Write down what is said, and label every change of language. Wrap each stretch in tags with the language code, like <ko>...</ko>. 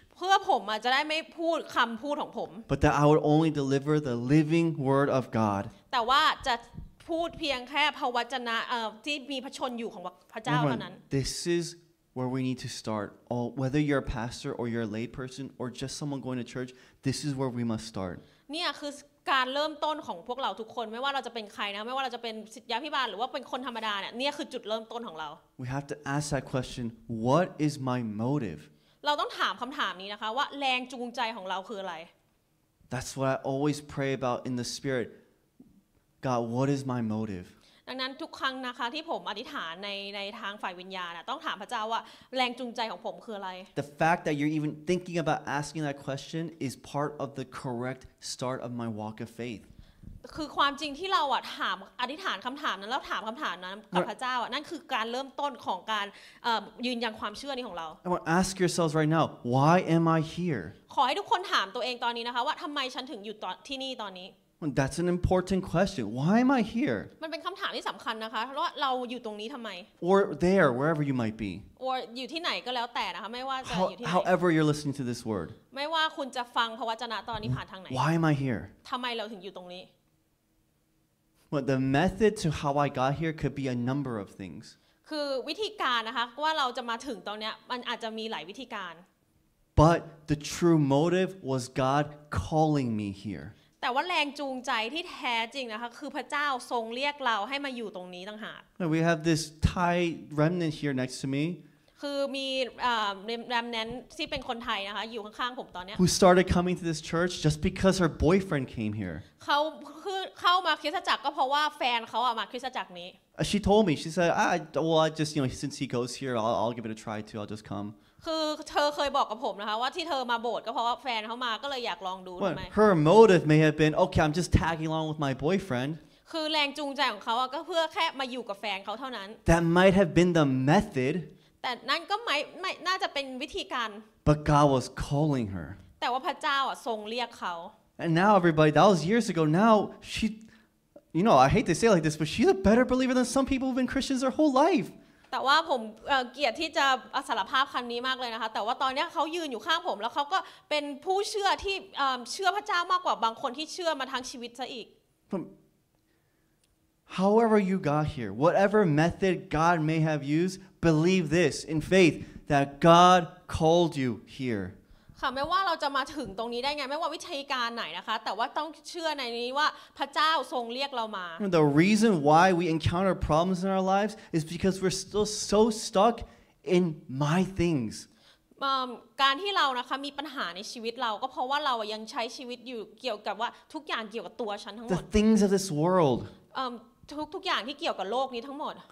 <th>เพื่อผมอ่ะจะได้ไม่พูดคำพูดของผม</th> <en>But that I would only deliver the living word of God</en> <th>แต่ว่าจะพูดเพียงแค่พระวจนะที่มีพระชนอยู่ของพระเจ้าเท่านั้น</th> <en>This is where we need to start all whether you're a pastor or you're a lay person or just someone going to church this is where we must start</en> <th>เนี่ยคือการเริ่มต้นของพวกเราทุกคนไม่ว่าเราจะเป็นใครนะไม่ว่าเราจะเป็นศิษยาภิบาลหรือว่าเป็นคนธรรมดาเนี่ยนี่คือจุดเริ่มต้นของเรา</th> <en>We have to ask that question what is my motive</en> <th>เราต้องถามคำถามนี้นะคะว่าแรงจูงใจของเราคืออะไร</th> <en>That's what I always pray about in the spirit God what is my motive</en> <th>ดังนั้นทุกครั้งนะคะที่ผมอธิษฐานในทางฝ่ายวิญญาณต้องถามพระเจ้าว่าแรงจูงใจของผมคืออะไร</th> <en>The fact that you're even thinking about asking that question is part of the correct start of my walk of faith</en> <th>คือความจริงที่เราถามอธิษฐานคำถามนั้นแล้วถามคำถามนั้นกับพระเจ้านั่นคือการเริ่มต้นของการยืนยันความเชื่อนี้ของเรา</th> <en>I want to ask yourselves right now why am I here</en> <th>ขอให้ทุกคนถามตัวเองตอนนี้นะคะว่าทำไมฉันถึงอยู่ที่นี่ตอนนี้</th> <en>That's an important question. Why am I here?</en> <th>มันเป็นคำถามที่สำคัญนะคะว่าเราอยู่ตรงนี้ทำไม</th> <en>Or there, wherever you might be.</en> <th>Or อยู่ที่ไหนก็แล้วแต่นะคะไม่ว่าจะอยู่ที่ไหน</th> <en>However you're listening to this word.</en> <th>ไม่ว่าคุณจะฟังพระวจนะตอนนี้ผ่านทางไหน</th> <en>Why am I here?</en> <th>ทำไมเราถึงอยู่ตรงนี้</th> <en>Well, the method to how I got here could be a number of things.</en> <th>คือวิธีการนะคะว่าเราจะมาถึงตรงนี้มันอาจจะมีหลายวิธีการ</th> <en>But the true motive was God calling me here.</en> <th>แต่ว่าแรงจูงใจที่แท้จริงนะคะคือพระเจ้าทรงเรียกเราให้มาอยู่ตรงนี้ต่างหาก</th> <en>We have this Thai remnant here next to me</en> <th>คือมีremnant ที่เป็นคนไทยนะคะอยู่ข้างๆผมตอนนี้</th> <en>Who started coming to this church just because her boyfriend came here</en> <th>เข้ามาคริสตจักรก็เพราะว่าแฟนเขาอ่ะมาคริสตจักรนี้</th> <en>She told me she said I just you know since he goes here I'll give it a try too I'll just come</en> <th>คือเธอเคยบอกกับผมนะคะว่าที่เธอมาโบสถ์ก็เพราะว่าแฟนเขามาก็เลยอยากลองดูทำไม</th> <en>Her motive may have been okay I'm just tagging along with my boyfriend</en> <th>คือแรงจูงใจของเขาก็เพื่อแค่มาอยู่กับแฟนเขาเท่านั้น</th> <en>That might have been the method</en> <th>แต่นั่นก็ไม่น่าจะเป็นวิธีการ</th> <en>But God was calling her</en> <th>แต่ว่าพระเจ้าทรงเรียกเขา</th> <en>And now everybody that was years ago now she you know I hate to say it like this but she's a better believer than some people who've been Christians their whole life</en> <th>แต่ว่าผมเกลียดที่จะสารภาพคำนี้มากเลยนะคะแต่ว่าตอนนี้เขายืนอยู่ข้างผมแล้วเขาก็เป็นผู้เชื่อที่เชื่อพระเจ้ามากกว่าบางคนที่เชื่อมาทั้งชีวิตซะอีก</th> <en>However you got here, whatever method God may have used, believe this in faith that God called you here.</en> <th>ค่ะไม่ว่าเราจะมาถึงตรงนี้ได้ไงไม่ว่าวิธีการไหนนะคะแต่ว่าต้องเชื่อในนี้ว่าพระเจ้าทรงเรียกเรามา</th> <en>The reason why we encounter problems in our lives is because we're still so stuck in my things</en> <th>การที่เรานะคะมีปัญหาในชีวิตเราก็เพราะว่าเรายังใช้ชีวิตอยู่เกี่ยวกับว่าทุกอย่างเกี่ยวกับตัวฉันทั้งหมด</th> <en>The things of this world</en> <th>ทุกอย่างที่เกี่ยวกับโลกนี้ทั้งหมด</th>